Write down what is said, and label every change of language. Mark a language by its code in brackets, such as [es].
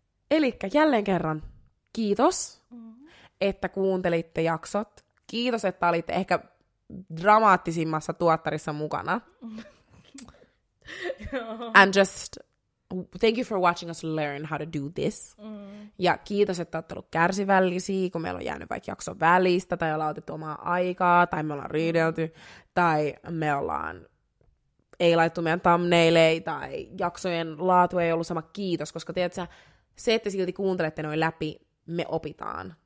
[fi] Elikkä jälleen kerran, kiitos, että kuuntelitte jaksot. Kiitos, että olitte ehkä dramaattisimmassa tuottarissa mukana. [en] And just thank you for watching us learn how to do this. [fi] Ja kiitos, että olette olleet kärsivällisiä, kun meillä on jäänyt vaikka jakso välistä, tai ollaan otettu omaa aikaa, tai me ollaan riidelty, tai me ollaan ei laittu meidän thumbnaileja, tai jaksojen laatu ei ollut sama. Kiitos, koska tiedätkö, se, että silti kuuntelette noin läpi, me opitaan.